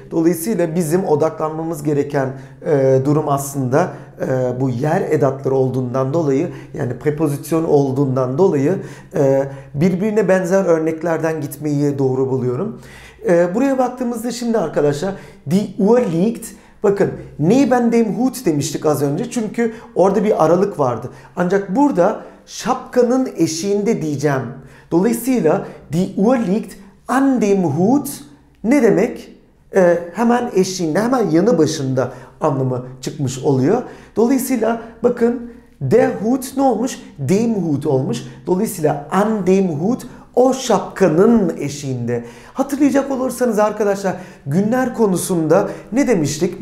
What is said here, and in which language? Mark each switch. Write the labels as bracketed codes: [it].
[tr] Dolayısıyla bizim odaklanmamız gereken durum aslında bu yer edatları olduğundan dolayı yani prepozisyon olduğundan dolayı birbirine benzer örneklerden gitmeyi doğru buluyorum. Buraya baktığımızda şimdi arkadaşlar [de] die Uhr liegt. [tr] Bakın [de] neben dem Hut [tr] demiştik az önce çünkü orada bir aralık vardı. Ancak burada şapkanın eşiğinde diyeceğim. Dolayısıyla [de] die Uhr liegt an dem Hut [tr] ne demek? Hemen eşiğinde, hemen yanı başında anlamı çıkmış oluyor. Dolayısıyla bakın [de] der Hut [tr] ne olmuş? [de] Dem Hut [tr] olmuş. Dolayısıyla [de] an dem Hut [tr] o şapkanın eşiğinde. Hatırlayacak olursanız arkadaşlar günler konusunda ne demiştik?